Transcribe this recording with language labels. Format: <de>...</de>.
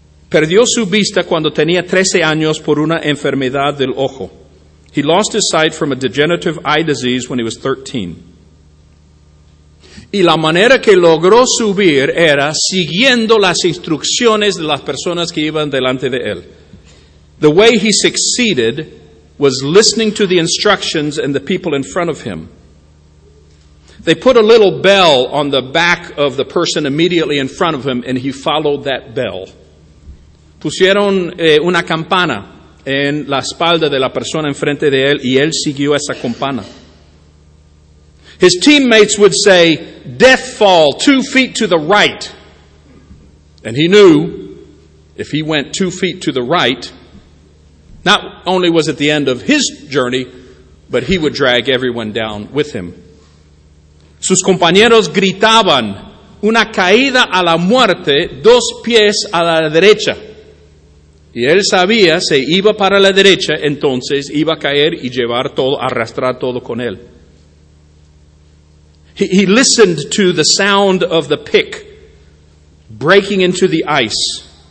<es>Perdió su vista cuando tenía 13 años por una enfermedad del ojo.</es> <en>He lost his sight from a degenerative eye disease when he was 13.</en> <es>Y la manera que logró subir era siguiendo las instrucciones de las personas que iban delante de él.</es> <en>The way he succeeded was listening to the instructions and the people in front of him. They put a little bell on the back of the person immediately in front of him, and he followed that bell.</en> <es>Pusieron una campana en la espalda de la persona enfrente de él, y él siguió esa campana.</es> <en>His teammates would say, "Death fall, 2 feet to the right." And he knew if he went 2 feet to the right, not only was it the end of his journey, but he would drag everyone down with him.</en> <es>Sus compañeros gritaban, "Una caída a la muerte, 2 pies a la derecha." Y él sabía, se iba para la derecha, entonces iba a caer y llevar todo, arrastrar todo con él.</es> <en>He listened to the sound of the pick breaking into the ice.</en>